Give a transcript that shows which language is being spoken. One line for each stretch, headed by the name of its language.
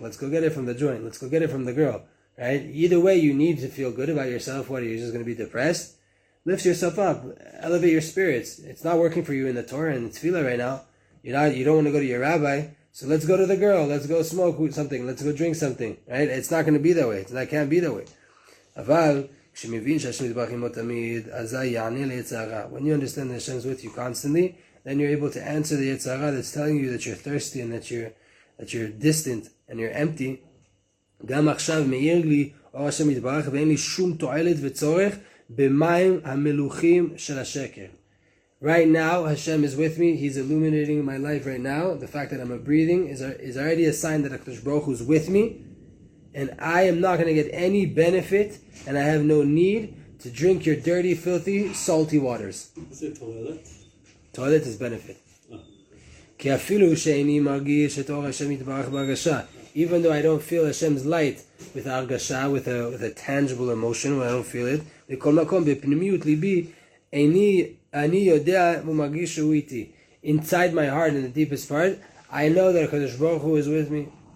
English: Let's go get it from the joint. Let's go get it from the girl. Right? Either way, you need to feel good about yourself. What, are you just going to be depressed? Lift yourself up. Elevate your spirits. It's not working for you in the Torah and the tefillah right now. You don't want to go to your rabbi. So let's go to the girl. Let's go smoke something. Let's go drink something. Right? It's not going to be that way. It can't be that way.
Hebrew: אבל כשמבין שהשם יתברך עמו תמיד, אזי יענה ליצר הרע.
English: When you understand that Hashem is with you constantly, then you're able to answer the יצר הרע that's telling you that you're thirsty and that you're distant and you're empty.
Hebrew: גם עכשיו מאיר לי אור השם יתברך ואין לי שום תועלת וצורך במים המלוכים של השקר.
English: Right now, Hashem is with me. He's illuminating my life right now. The fact that I'm breathing is already a sign that HaKadosh Baruch Hu is with me. And I am not going to get any benefit, and I have no need to drink your dirty, filthy, salty waters. Is it toilet? Toilet is benefit.
Hebrew: כי אפילו שאיני מרגיש את אור השם יתברך בהרגשה.
English: Even though I don't feel Hashem's light with ההרגשה, with a tangible emotion, when I don't feel it,
Hebrew: בכל מקום, בפנימיות ליבי, אני יודע ומרגיש שהוא איתי.
English: Inside my heart, in the deepest part, I know that HaKadosh Baruch Hu is with me.